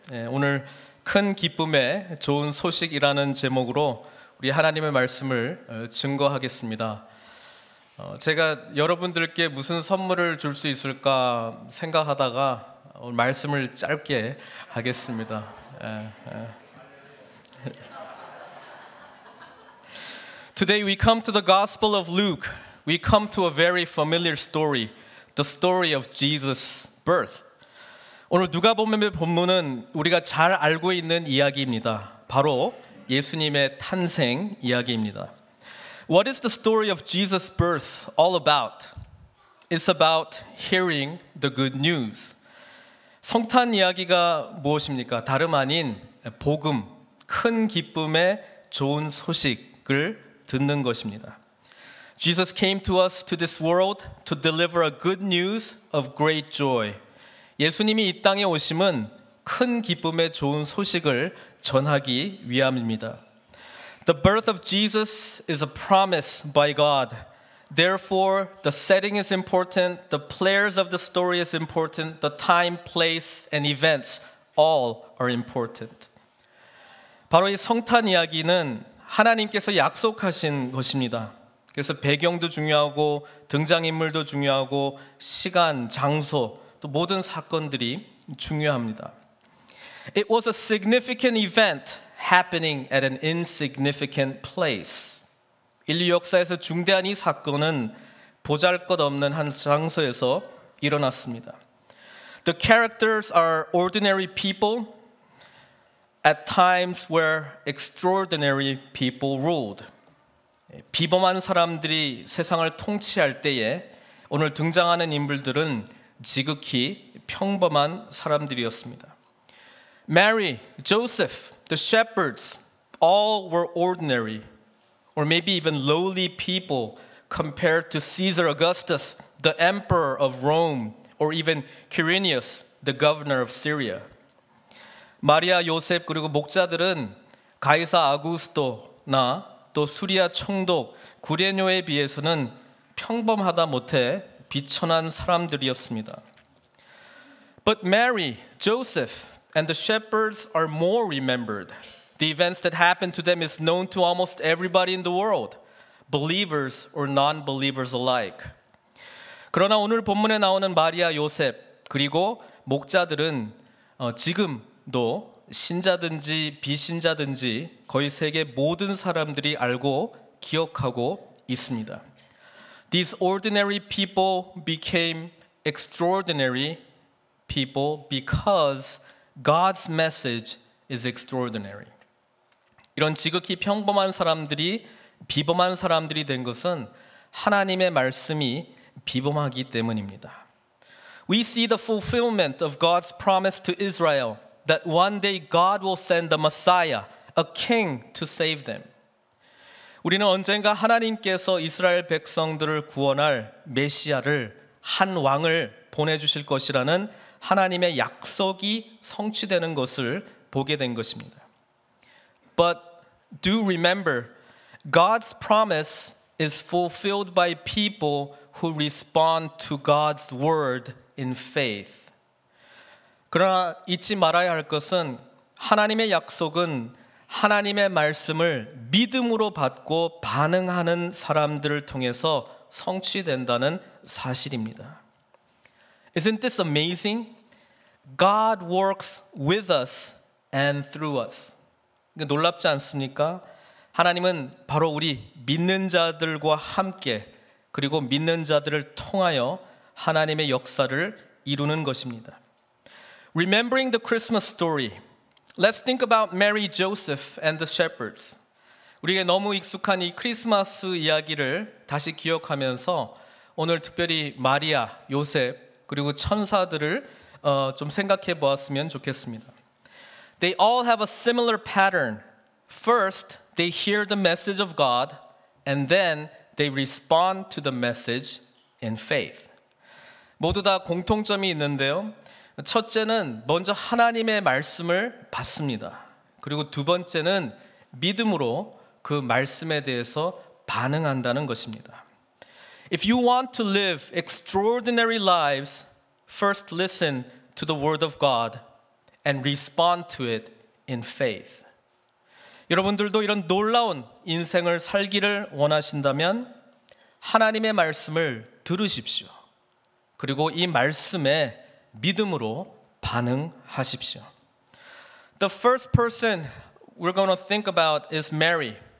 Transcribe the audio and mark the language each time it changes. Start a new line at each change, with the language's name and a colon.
Korean: 오늘 큰 기쁨의 좋은 소식이라는 제목으로 우리 하나님의 말씀을 증거하겠습니다. 제가 여러분들께 무슨 선물을 줄 수 있을까 생각하다가 말씀을 짧게 하겠습니다.
English: Today we come to the Gospel of Luke. We come to a very familiar story, the story of Jesus' birth.
Korean: 오늘 누가복음의 본문은 우리가 잘 알고 있는 이야기입니다. 바로 예수님의 탄생 이야기입니다.
English: What is the story of Jesus' birth all about? It's about hearing the good news.
Korean: 성탄 이야기가 무엇입니까? 다름 아닌 복음, 큰 기쁨의 좋은 소식을 듣는 것입니다.
English: Jesus came to us to this world to deliver a good news of great joy.
Korean: 예수님이 이 땅에 오심은 큰 기쁨의 좋은 소식을 전하기 위함입니다.
English: The birth of Jesus is a promise by God. Therefore, the setting is important, the players of the story is important, the time, place, and events all are important.
Korean: 바로 이 성탄 이야기는 하나님께서 약속하신 것입니다. 그래서 배경도 중요하고 등장인물도 중요하고 시간, 장소, 또 모든 사건들이 중요합니다.
English: It was a significant event happening at an insignificant place.
Korean: 인류 역사에서 중대한 이 사건은 보잘것없는 한 장소에서 일어났습니다.
English: The characters are ordinary people at times where extraordinary people ruled.
Korean: 비범한 사람들이 세상을 통치할 때에 오늘 등장하는 인물들은 지극히 평범한 사람들이었습니다.
English: Mary, Joseph, the shepherds, all were ordinary, or maybe even lowly people compared to Caesar Augustus, the emperor of Rome, or even Quirinius, the governor of Syria.
Korean: 마리아, 요셉, 그리고 목자들은 가이사 아구스토나 또 수리아 총독 구레뇨에 비해서는 평범하다 못해 비천한 사람들이었습니다.
English: But Mary, Joseph, and the shepherds are more remembered. The events that happened to them is known to almost everybody in the world, believers or non-believers alike.
Korean: 그러나 오늘 본문에 나오는 마리아, 요셉, 그리고 목자들은 지금도 신자든지 비신자든지 거의 세계 모든 사람들이 알고 기억하고 있습니다.
English: These ordinary people became extraordinary people because God's message is extraordinary.
Korean: 이런 지극히 평범한 사람들이 비범한 사람들이 된 것은 하나님의 말씀이 비범하기 때문입니다.
English: We see the fulfillment of God's promise to Israel that one day God will send the Messiah, a king, to save them.
Korean: 우리는 언젠가 하나님께서 이스라엘 백성들을 구원할 메시아를 한 왕을 보내주실 것이라는 하나님의 약속이 성취되는 것을 보게 된 것입니다.
English: But do remember, God's promise is fulfilled by people who respond to God's word in faith.
Korean: 그러나 잊지 말아야 할 것은 하나님의 약속은 하나님의 말씀을 믿음으로 받고 반응하는 사람들을 통해서 성취된다는 사실입니다.
English: Isn't this amazing? God works with us and through us.
Korean: 놀랍지 않습니까? 하나님은 바로 우리 믿는 자들과 함께 그리고 믿는 자들을 통하여 하나님의 역사를 이루는 것입니다.
English: Remembering the Christmas story, let's think about Mary, Joseph, and the shepherds.
Korean: 우리에게 너무 익숙한 이 크리스마스 이야기를 다시 기억하면서 오늘 특별히 마리아, 요셉, 그리고 천사들을 좀 생각해 보았으면 좋겠습니다.
English: They all have a similar pattern. First, they hear the message of God, and then they respond to the message in faith.
Korean: 모두 다 공통점이 있는데요. 첫째는 먼저 하나님의 말씀을 받습니다. 그리고 두 번째는 믿음으로 그 말씀에 대해서 반응한다는 것입니다.
English: If you want to live extraordinary lives, first listen to the word of God and respond to it in faith.
Korean: 여러분들도 이런 놀라운 인생을 살기를 원하신다면 하나님의 말씀을 들으십시오. 그리고 이 말씀에 믿음으로 반응하십시오.
English: The first person we're going to think about is Mary.